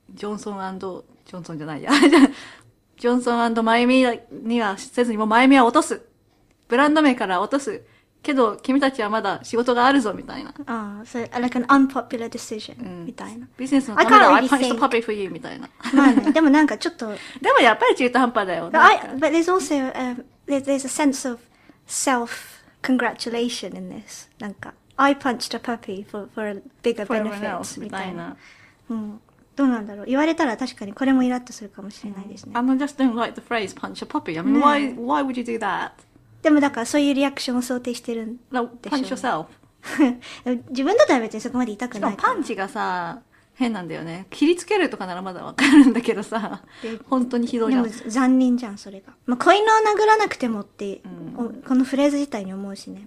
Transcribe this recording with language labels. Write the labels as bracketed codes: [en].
[ja] ジョンソンじゃないや。ジョンソン&マイミーにはせずに、もうマイミーは落とす。ブランド名から落とす。けど、君たちはまだ仕事があるぞ、みたいな。ああ、そう、 [en] like an unpopular decision,、 [ja] うん、みたいな。ビジネスのためだ、really、 [en] I punched a puppy for you, [ja] みたいな。まあね、でもなんかちょっと。でもやっぱり中途半端だよ。 [en] But there's also, there's a sense of self-congratulation in this. [ja] なんか、 [en] I punched a puppy for a bigger benefit, [ja] みたいな。どうなんだろう、言われたら確かにこれもイラッとするかもしれないですね。 [en] I just don't like the phrase punch a puppy. I mean,、ね、why would you do that? [ja] でもだからそういうリアクションを想定してるんでしょ。パンチ yourself。自分だったら別にそこまで痛くない。パンチがさ、変なんだよね。切りつけるとかならまだわかるんだけどさ、本当にひどいな。でも残忍じゃん、それが。まあ、子犬を殴らなくてもって、うん、このフレーズ自体に思うしね。